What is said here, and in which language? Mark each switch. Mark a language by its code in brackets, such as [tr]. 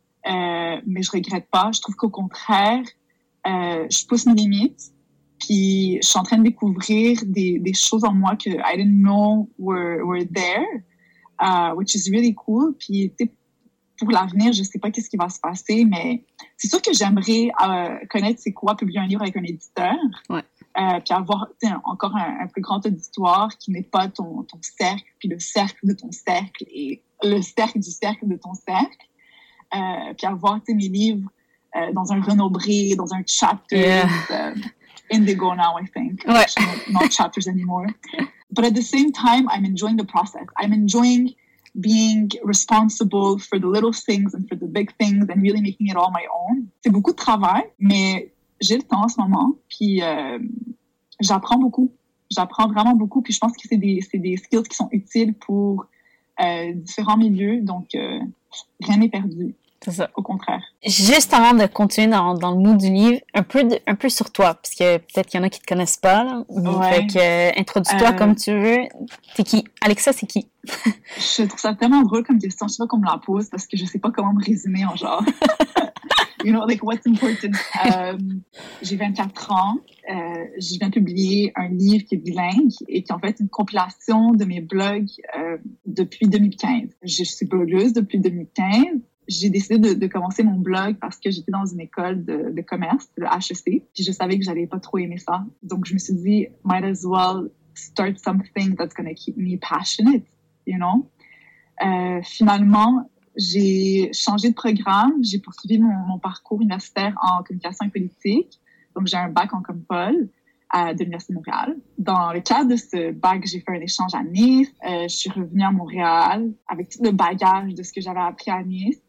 [fr] Mais je regrette pas. Je trouve qu'au contraire, je pousse mes limites. Puis je suis en train de découvrir des choses en moi que [en] I didn't know were there, which is really cool. [fr] Puis pour l'avenir, je sais pas qu'est-ce qui va se passer, mais c'est sûr que j'aimerais connaître c'est quoi publier un livre avec un éditeur. Ouais. Puis avoir encore un plus grand auditoire qui n'est pas ton cercle, puis le cercle de ton cercle et le cercle du cercle de ton cercle. Puis avoir mes livres dans un renombré, dans un chapter. [en] Yeah. Indigo now, I think. [fr] Ouais. [en] Not chapters anymore. But at the same time, I'm enjoying the process. I'm enjoying being responsible for the little things and for the big things and really making it all my own. [fr] C'est beaucoup de travail, mais j'ai le temps en ce moment. Puis j'apprends beaucoup. J'apprends vraiment beaucoup. Puis je pense que c'est des skills qui sont utiles pour différents milieux. Donc... rien n'est perdu. C'est ça. Au contraire. Juste avant de continuer dans le mood du livre, un peu sur toi, parce que peut-être qu'il y en a qui te connaissent pas. Là, ouais. Fait que, introduis-toi comme tu veux. T'es qui? Alexia, c'est qui? Je trouve ça tellement drôle comme question. Je sais pas qu'on me la pose, parce que je sais pas comment me résumer en genre. [en] You know, like, what's important? [fr] J'ai 24 ans. Je viens de publier un livre qui est bilingue et qui est en fait une compilation de mes blogs depuis 2015. Je suis blogueuse depuis 2015. J'ai décidé de commencer mon blog parce que j'étais dans une école de commerce, le HEC, puis je savais que j'allais pas trop aimer ça. Donc, je me suis dit, [en] might as well start something that's gonna keep me passionate, you know? [fr] Finalement, j'ai changé de programme, j'ai poursuivi mon parcours universitaire en communication et politique. Donc, j'ai un bac en compol de l'Université de Montréal. Dans le cadre de ce bac, j'ai fait un échange à Nice. Je suis revenue à Montréal avec tout le bagage de ce que j'avais appris à Nice.